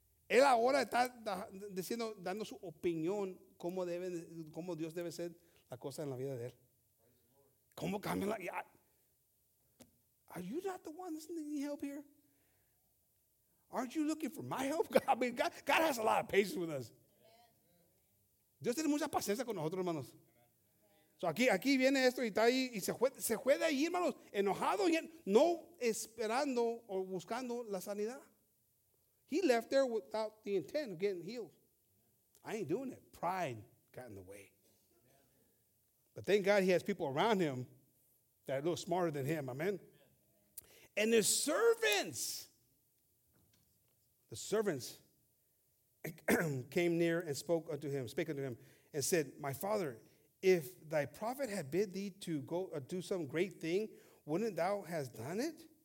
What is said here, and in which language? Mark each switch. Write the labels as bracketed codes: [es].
[es] Él ahora está diciendo, dando su opinión, cómo Dios debe ser la cosa en la vida de él. ¿Cómo cambia la vida? [en] Are you not the one that's needing help here? Aren't you looking for my help? God, I mean, God has a lot of patience with us. [es] Dios tiene mucha paciencia con nosotros, hermanos. So aquí viene esto y está ahí y se fue de ahí, hermanos, enojado y no esperando o buscando la sanidad. [en] He left there without the intent of getting healed. I ain't doing it. Pride got in the way. But thank God he has people around him that are a little smarter than him. Amen. And his servants. The servants came near and spake unto him, and said, my father, if thy prophet had bid thee to go do some great thing, wouldn't thou have done it?